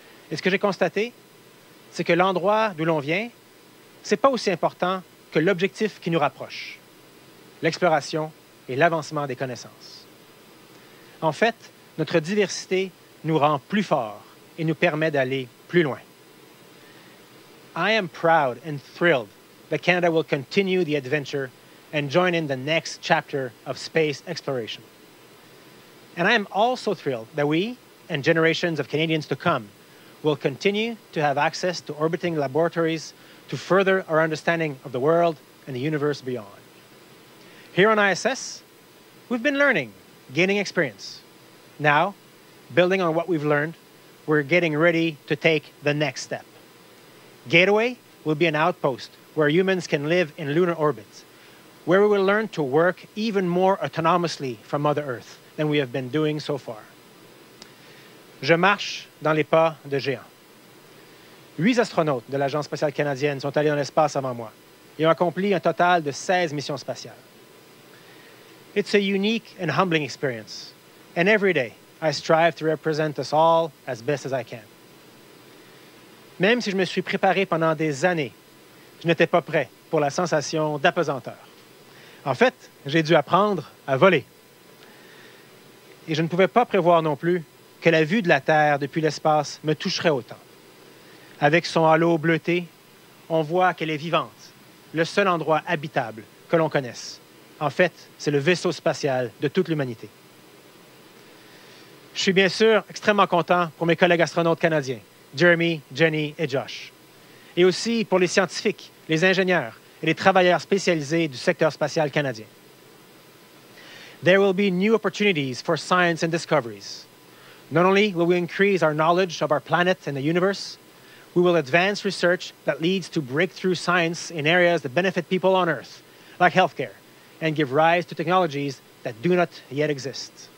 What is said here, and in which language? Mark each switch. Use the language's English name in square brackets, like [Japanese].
[French] Et ce que j'ai constaté, c'est que l'endroit d'où l'on vient, ce n'est pas aussi important que l'objectif qui nous rapproche, l'exploration et l'avancement des connaissances. En fait, notre diversité nous rend plus forts et nous permet d'aller plus loin. [English] I am proud and thrilled that Canada will continue the adventure and join in the next chapter of space exploration. And I am also thrilled that we and generations of Canadians to come will continue to have access to orbiting laboratories to further our understanding of the world and the universe beyond. Here on ISS, we've been learning, gaining experience. Now, building on what we've learned, we're getting ready to take the next step. Gateway will be an outpost where humans can live in lunar orbit, where we will learn to work even more autonomously from Mother Earth than we have been doing so far. [French] Je marche dans les pas de géants. 8 astronautes de l'Agence spatiale canadienne sont allés dans l'espace avant moi et ont accompli un total de 16 missions spatiales. [English] It's a unique and humbling experience, and every day I strive to represent us all as best as I can. [French] Même si je me suis préparé pendant des années, je n'étais pas prêt pour la sensation d'apesanteur. En fait, j'ai dû apprendre à voler. Et je ne pouvais pas prévoir non plus que la vue de la Terre depuis l'espace me toucherait autant. Avec son halo bleuté, on voit qu'elle est vivante, le seul endroit habitable que l'on connaisse. En fait, c'est le vaisseau spatial de toute l'humanité. Je suis bien sûr extrêmement content pour mes collègues astronautes canadiens, Jeremy, Jenny et Josh, et aussi pour les scientifiques, les ingénieurs et les travailleurs spécialisés du secteur spatial canadien. [English] There will be new opportunities for science and discoveries. Not only will we increase our knowledge of our planet and the universe, We will advance research that leads to breakthrough science in areas that benefit people on Earth, like healthcare, and give rise to technologies that do not yet exist.